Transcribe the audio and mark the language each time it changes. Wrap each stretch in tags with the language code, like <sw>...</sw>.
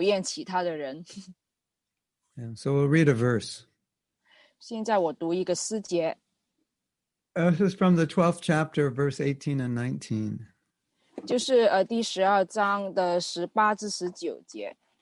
<zh>我很爱自己的儿女，但是我很讨厌其他的人。</zh> <en>And so we'll read a verse.</en> <zh>现在我读一个诗节。</zh> <en>This is from the 12th chapter, verse 18 and 19.</en> <zh>就是第十二章的十八至十九节。</zh>